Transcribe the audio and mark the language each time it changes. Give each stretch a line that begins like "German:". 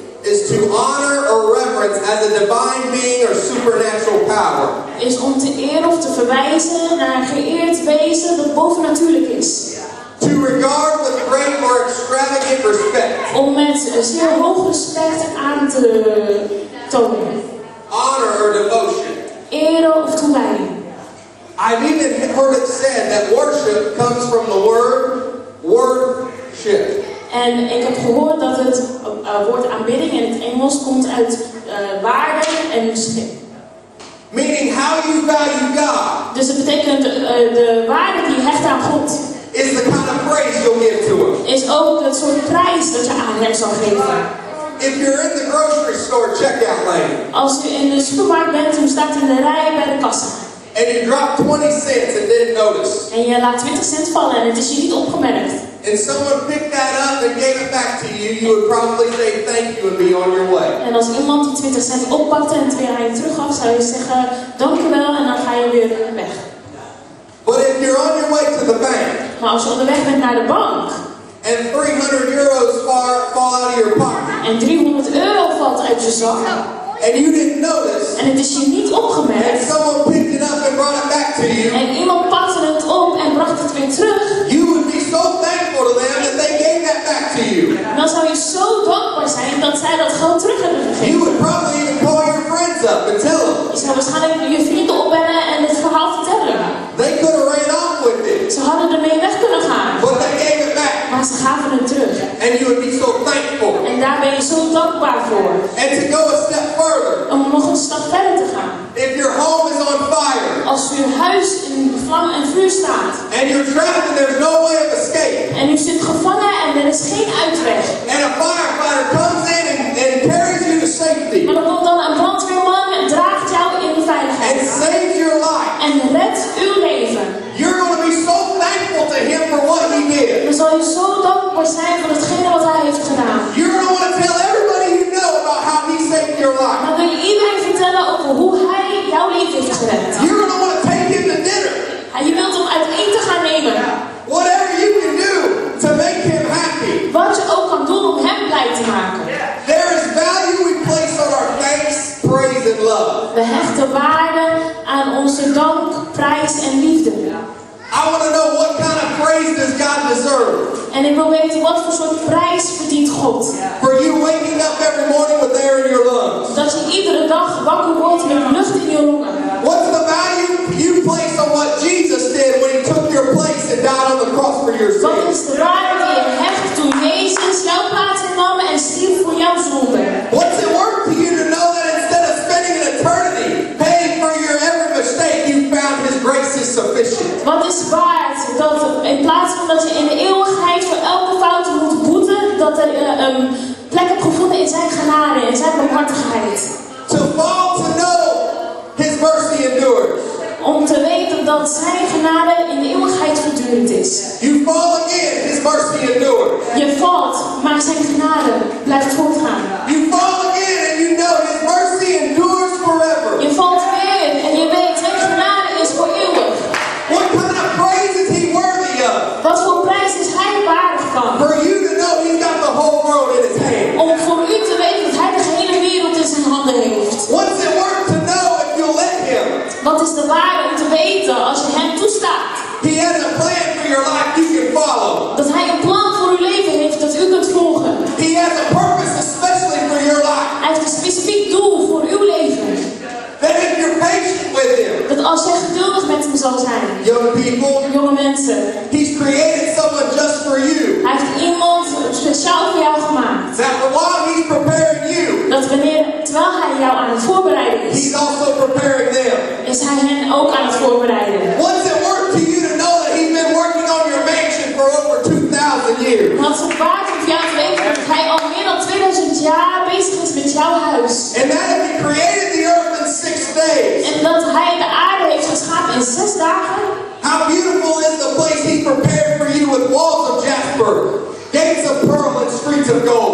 English: Is to honor or reverence as a divine being or supernatural power.
Dutch: Is om te eren of te verwijzen naar een geëerd wezen dat bovennatuurlijk is.
English: To regard with great or extravagant respect.
Dutch: Om mensen een zeer hoog respect aan te tonen.
English: Honor or devotion.
Dutch: Eren of toewijding.
English: I've even heard it said that worship comes from the word worship.
Dutch: En ik heb gehoord dat het woord aanbidding in het Engels komt uit waarde en schip.
English: Meaning how you value God.
Dutch: Dus het betekent de waarde die je hecht aan God.
English: Is the kind of praise you'll give to him.
Dutch: Is ook het soort prijs dat je aan hem zal geven.
English: If you're in the grocery store checkout lane.
Dutch: Als u in de supermarkt bent en staat in de rij bij de kassa.
English: And you drop 20 cents and didn't notice.
Dutch: En je laat 20 cent vallen en het is je niet opgemerkt.
English: If someone picked that up and gave it back to you, you would probably say thank you and be on your way.
Dutch: En als iemand die 20 cent oppakte en het weer aan je teruggaf, zou je zeggen dankjewel en dan ga je weer weg.
English: But if you're on your way to the bank.
Dutch: Maar als je onderweg bent naar de bank.
English: And 300 euros fall out of your pocket.
Dutch: En 300 euro valt uit je zak.
English: And you didn't notice.
Dutch: En het is je niet opgemerkt.
English: And someone picked it up and brought it back to you.
Dutch: En iemand pakte het op en bracht het weer terug.
English: You would be so thankful to them that they gave that back to you.
Dutch: En dan zou je zo dankbaar zijn dat zij dat geld terug hebben gegeven.
English: You would probably even call your friends up and tell them.
Dutch: Je zou waarschijnlijk je vrienden opbellen en het verhaal vertellen.
English: They could have ran off with it.
Dutch: Ze hadden ermee weg kunnen gaan.
English: But they gave it back.
Dutch: Maar ze gaven het terug.
English: And you would be so thankful.
Dutch: En daar ben je zo dankbaar voor.
English: And to go a step further.
Dutch: Om nog een stap verder te gaan.
English: If your home is on fire.
Dutch: Als uw huis in vlam en vuur staat.
English: And you're trapped and there's no way of escape.
Dutch: En u zit gevangen en er is geen uitweg.
English: And a firefighter comes in and carries you to safety.
Dutch: Maar dan komt dan een brandweerman en draagt jou in de veiligheid.
English: And saves your life.
Dutch: En redt uw leven.
English: You're going to be so thankful to him for what he did.
Dutch: Dan zal je zo dankbaar zijn voor hetgene wat hij heeft gedaan.
English: You're going to want to tell everybody you know about how he saved your life.
Dutch: Dan wil je iedereen vertellen over hoe hij jouw leven heeft gered.
English: You're going to want to take him to dinner.
Dutch: En je wilt hem uit eten gaan nemen.
English: Whatever you can do to make him happy.
Dutch: Wat je ook kan doen om hem blij te maken.
English: There is value we place on our thanks, praise and love.
Dutch: We hechten waarde aan onze dank, prijs en liefde.
English: I want to know what kind of praise does God deserve.
Dutch: En ik wil weten wat voor soort prijs verdient God.
English: For you waking up every morning with air in your lungs.
Dutch: Dat je iedere dag wakker wordt met lucht in je longen.
English: What's the value you place on what Jesus did when he took your place and died on the cross for your sins?
Dutch: Wat is de waarde die je hecht toen Jezus jouw plaats innam en stierf voor jouw zonde?
English: What's it worth to you to know that instead of spending an eternity paying for your every mistake, you found his grace is sufficient?
Dutch: Wat is waard dat in plaats van dat je in de eeuwigheid voor elke fout moet boeten, dat er een plek hebt gevonden in zijn genade, in zijn barmhartigheid?
English: To fall to know his mercy endures.
Dutch: Om te weten dat zijn genade in de eeuwigheid voortdurend is.
English: You fall again, his mercy endures.
Dutch: Je valt, maar zijn genade blijft voortgaan.
English: You fall again and you know his mercy endures forever.
Dutch: Je valt weer en je weet zijn genade is voor eeuwig.
English: What kind of praise is he worthy of?
Dutch: Wat voor prijs is hij waardig van?
English: For you to know he's got the whole world in his hand.
Dutch: Om voor u te weten dat hij de gehele wereld in zijn handen heeft.
English: What's it worth to know?
Dutch: Wat is de waarde om te weten als je hem toestaat?
English: He has a plan for your life you can follow.
Dutch: Dat hij een plan voor uw leven heeft dat u kunt volgen.
English: He has a purpose especially for your life.
Dutch: Hij heeft een specifiek doel voor uw leven.
English: That if you're patient with him.
Dutch: Dat als je geduldig met hem zal zijn.
English: Young people.
Dutch: Jonge mensen.
English: He's created someone just for you.
Dutch: Hij heeft iemand speciaal voor jou gemaakt.
English: That while he's preparing you.
Dutch: Dat wanneer, terwijl hij jou aan het voorbereiden is.
English: He's also preparing them.
Dutch: Is hij hen ook aan het voorbereiden.
English: What's it worth to you to know that he's been working on your mansion for over 2000 years?
Dutch: Wat is het waard om jou te weten dat hij al meer dan 2000 jaar bezig is met jouw huis.
English: And that if he created the earth in 6 days.
Dutch: En dat hij de aarde heeft geschapen in 6 dagen.
English: How beautiful is the place he prepared for you with walls of jasper, gates of pearl and streets of gold.